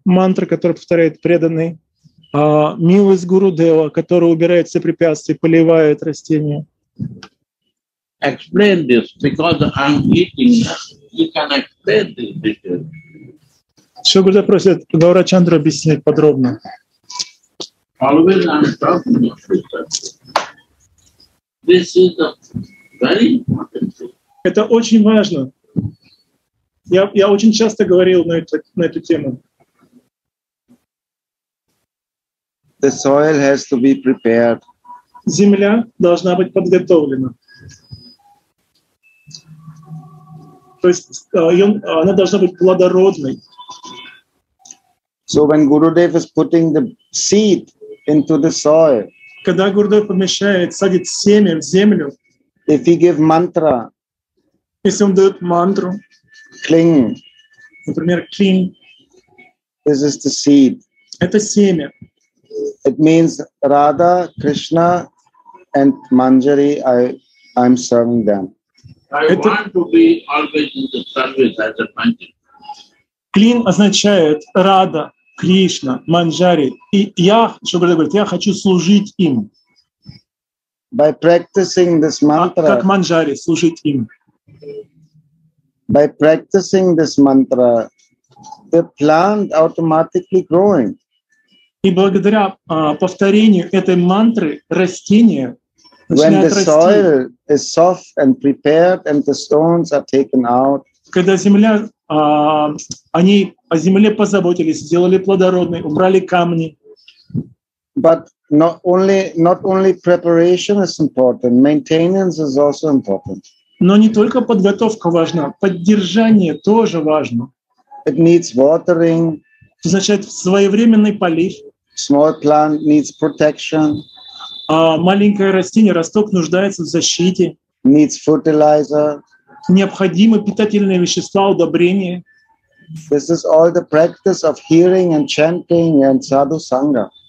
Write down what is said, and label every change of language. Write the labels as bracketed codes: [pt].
[ru] Мантра, которую повторяет преданный, милость Гурудева, которая убирает все препятствия, поливает растения. [en] Explain this because I'm eating. You can explain this because. [ru] Шрила Гурудев просит Гаурачандру объяснить подробно. [en] Always I'm talking about this. This is a very important thing. [ru] Это очень важно. Я очень часто говорил на эту тему. [en] The soil has to be prepared. [ru] Земля должна быть подготовлена. То есть она должна быть плодородной. [en] So when Gurudev is putting the seed into the soil, [ru] когда Гурудев помещает, садит семя в землю, [en] if he give mantra, [ru] если он дает мантру, кling, например, кling, [en] this is the seed. [ru] Это семя. [en] It means Radha, Krishna, and Manjari. I'm serving them. I want to be always in the service as a Manjari. [ru] Клин означает Радха, Кришна, Манджари. И я, что Гурудев говорит, я хочу служить им. [en] By practicing this mantra. [ru] Как Манджари, служить им. [en] By practicing this mantra, the plant automatically growing. [ru] И благодаря повторению этой мантры растение начинает расти. Когда земля, они о земле позаботились, сделали плодородной, убрали камни. [en] But not only preparation is important, maintenance is also important. [ru] Но не только подготовка важна, поддержание тоже важно. [en] It needs watering. [ru] Значит, своевременный полив. [en] Small plant needs protection. [ru] Маленькое растение, росток нуждается в защите. [en] Needs fertilizer. [ru] Необходимы питательные вещества, удобрения. [en] This is all the practice of hearing and chanting and sadhu sangha.